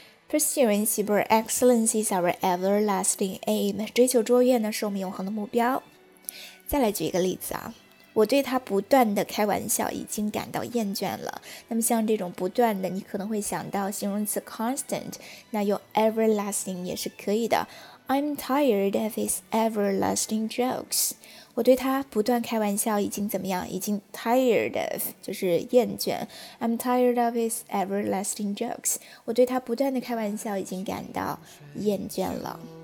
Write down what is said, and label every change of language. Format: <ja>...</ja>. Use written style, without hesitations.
<en>Pursuing super excellence is our everlasting aim。</en> <zh>追求卓越呢，是我们永恒的目标。再来举一个例子啊，我对他不断的开玩笑已经感到厌倦了。那么像这种不断的，你可能会想到形容词 constant， 那用 everlasting 也是可以的。</zh> <en>I'm tired of his everlasting jokes。</en> <zh>我对他不断开玩笑已经怎么样，已经 tired of， 就是厌倦。</zh> <en>I'm tired of his everlasting jokes。</en> <zh>我对他不断的开玩笑已经感到厌倦了。</zh>